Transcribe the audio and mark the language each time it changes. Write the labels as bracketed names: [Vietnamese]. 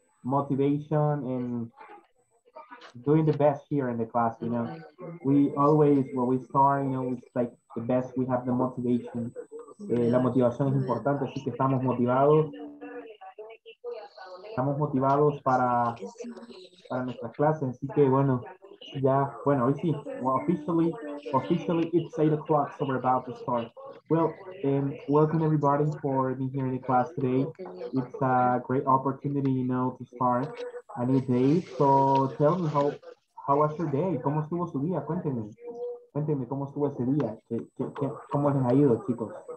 [English] Motivation and doing the best here in the class, you know. We always, when we start, you know, it's like the best, we have the motivation. [Spanish] La motivación es importante, así que estamos motivados. Estamos motivados para nuestras clases, así que bueno, ya, bueno, hoy sí. [English] Well, officially it's 8 o'clock, so we're about to start. Well, welcome everybody for being here in the class today. It's a great opportunity, you know, to start a new day. So tell me, how was your day? [Spanish] ¿Cómo estuvo su día? Cuéntenme, ¿cómo estuvo ese día? ¿Cómo les ha ido, chicos?